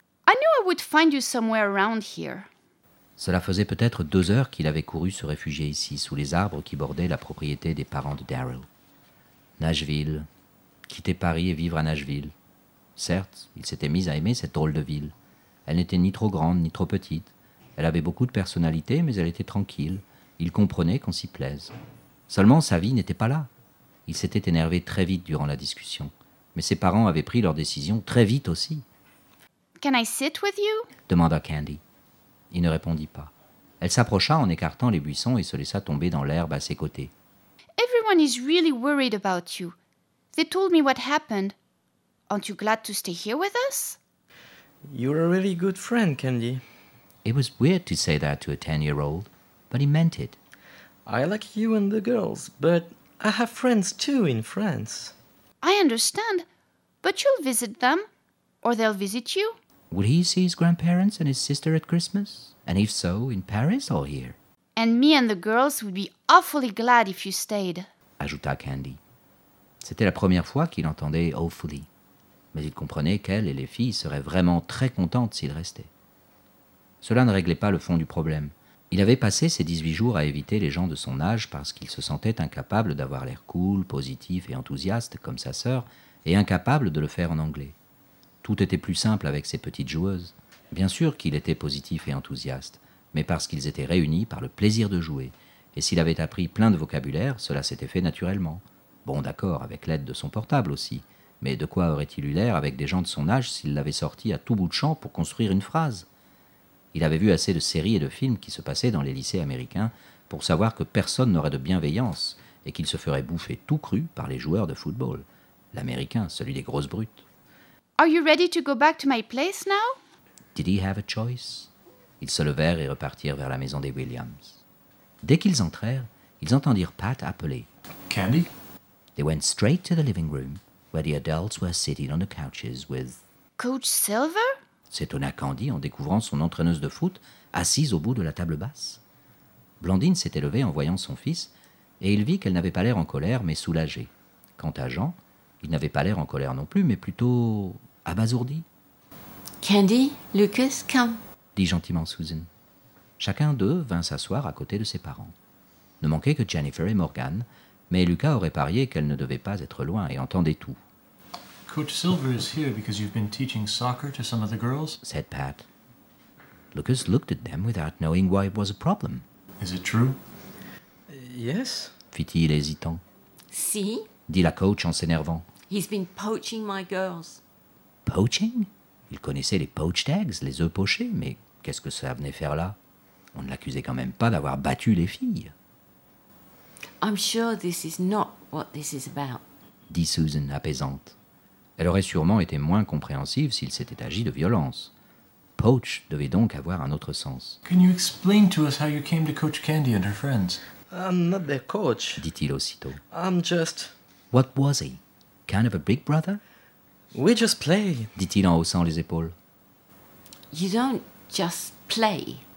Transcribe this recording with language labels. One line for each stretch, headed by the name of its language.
English: I knew I would find you somewhere around here.
French: Cela faisait peut-être 2 heures qu'il avait couru se réfugier ici, sous les arbres qui bordaient la propriété des parents de Daryl. Nashville. Quitter Paris et vivre à Nashville. Certes, il s'était mis à aimer cette drôle de ville. Elle n'était ni trop grande ni trop petite. Elle avait beaucoup de personnalité, mais elle était tranquille. Il comprenait qu'on s'y plaise. Seulement, sa vie n'était pas là. Il s'était énervé très vite durant la discussion. Mais ses parents avaient pris leur décision très vite aussi.
English: « Can I sit with you ?»
French: demanda Candy. Il ne répondit pas. Elle s'approcha en écartant les buissons et se laissa tomber dans l'herbe à ses côtés.
English: « Everyone is really worried about you. They told me what happened. Aren't you glad to stay here with us ?»« You're a really good friend, Candy. » It was weird to say that to a 10-year-old, but he meant it. I like you and the girls, but I have friends too in France. I understand, but you'll visit them, or they'll visit you. Would he see his grandparents and his sister at Christmas? And if so, in Paris or here? And me and the girls would be awfully glad if you stayed,
French: ajouta Candy. C'était la première fois qu'il entendait « awfully », mais il comprenait qu'elle et les filles seraient vraiment très contentes s'il restait. Cela ne réglait pas le fond du problème. Il avait passé ses 18 jours à éviter les gens de son âge parce qu'il se sentait incapable d'avoir l'air cool, positif et enthousiaste comme sa sœur, et incapable de le faire en anglais. Tout était plus simple avec ces petites joueuses. Bien sûr qu'il était positif et enthousiaste, mais parce qu'ils étaient réunis par le plaisir de jouer, et s'il avait appris plein de vocabulaire, cela s'était fait naturellement. Bon, d'accord, avec l'aide de son portable aussi, mais de quoi aurait-il eu l'air avec des gens de son âge s'il l'avait sorti à tout bout de champ pour construire une phrase ? Il avait vu assez de séries et de films qui se passaient dans les lycées américains pour savoir que personne n'aurait de bienveillance et qu'il se ferait bouffer tout cru par les joueurs de football. L'américain, celui des grosses brutes.
English: Are you ready to go back to my place now? Did he have a choice?
French: Ils se levèrent et repartirent vers la maison des Williams. Dès qu'ils entrèrent, ils entendirent Pat appeler.
English: Candy? They went straight to the living room where the adults were sitting on the couches with... Coach Silver?
French: S'étonna Candy en découvrant son entraîneuse de foot assise au bout de la table basse. Blandine s'était levée en voyant son fils et il vit qu'elle n'avait pas l'air en colère mais soulagée. Quant à Jean, il n'avait pas l'air en colère non plus mais plutôt abasourdi.
English: Candy, Lucas, come,
French: dit gentiment Susan. Chacun d'eux vint s'asseoir à côté de ses parents. Ne manquait que Jennifer et Morgan, mais Lucas aurait parié qu'elle ne devait pas être loin et entendait tout.
English: Coach Silver is here because you've been teaching soccer to some of the girls, said Pat. Lucas looked at them without knowing why it was a problem. Is it true? Yes,
French: fit-il hésitant. Si, dit la coach en s'énervant.
English: He's been poaching my girls. Poaching?
French: Il connaissait les
English: poached eggs,
French: les œufs pochés, mais qu'est-ce que ça venait faire là? On ne l'accusait quand même pas d'avoir battu les filles. I'm sure this is not what this is about, dit Susan, apaisante. Elle aurait sûrement été moins compréhensive s'il s'était agi de violence. Poach devait donc avoir un autre sens.
English: Can you explain to us how you came to coach Candy and her friends? I'm not their coach,
French: dit-il aussitôt.
English: I'm just... What was he? Kind of a big brother? We just play,
French: dit-il en haussant les épaules.
English: You don't just play,